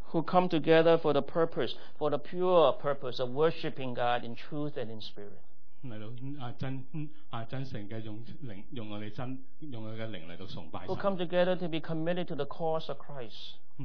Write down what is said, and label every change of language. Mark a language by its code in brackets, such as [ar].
[en] Who come together for the purpose, for the pure purpose of worshiping God in truth and in spirit. [zh] 来到真诚的用我的灵来到崇拜神。 [en] Who come together to be committed to the cause of Christ.